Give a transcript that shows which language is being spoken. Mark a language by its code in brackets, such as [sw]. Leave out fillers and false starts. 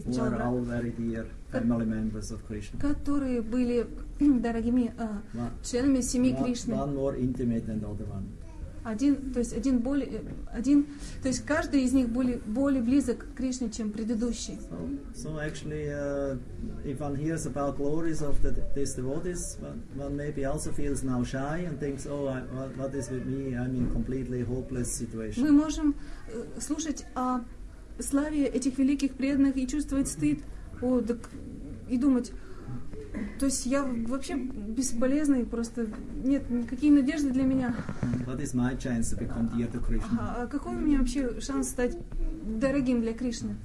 [en] Who are all very dear family members of Krishna. [ru] Которые были дорогими членами семьи Кришны. [en] One more intimate than the other one. [ru] Один, то есть один более, один, то есть каждый из них более близок к Кришне, чем предыдущий. [en] So actually, if one hears about glories of the these devotees, one maybe also feels now shy and thinks, oh, what is with me? I'm in completely hopeless situation. [ru] Мы можем слушать о славе этих великих преданных и чувствовать стыд, и думать. То есть я вообще бесполезный, просто нет никакие надежды для меня. [en] What is my chance to become dear to Krishna? [ru] Какой у меня вообще шанс стать дорогим для Кришны?